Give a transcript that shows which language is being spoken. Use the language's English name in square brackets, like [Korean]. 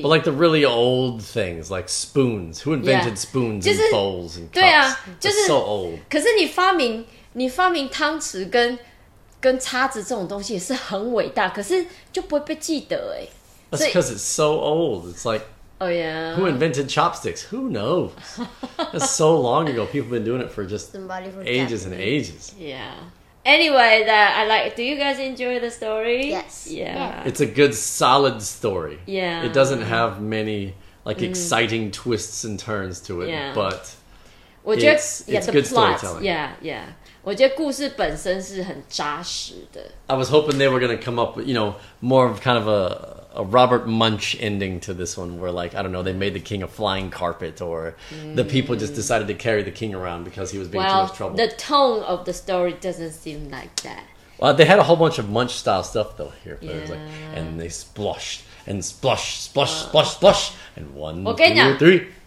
[English] But like the really old things, like spoons. Who invented spoons and bowls and cups? [Chinese] 对啊，就是 [English] so old. [Chinese] 可是你发明汤匙跟叉子这种东西也是很伟大，可是就不会被记得哎。 [English] That's because it's so old. It's like, oh yeah. Who invented chopsticks? Who knows? That's so long ago. People have been doing it for just ages and ages. Yeah. Anyway, that I like. Do you guys enjoy the story? Yes. Yeah. It's a good, solid story. Yeah. It doesn't have many like exciting twists and turns to it. Yeah. But it's good plot, storytelling. Yeah, yeah. [Chinese] 我觉得故事本身是很扎实的。 [English] I was hoping they were going to come up with, you know, more of kind of a Robert Munch ending to this one, where like, I don't know, they made the king a flying carpet, or the people just decided to carry the king around because he was being too much trouble. The tone of the story doesn't seem like that. Well, they had a whole bunch of Munch style stuff though here, but it was like, and they splashed and splashed, splashed, splashed, splashed, and one, two, three.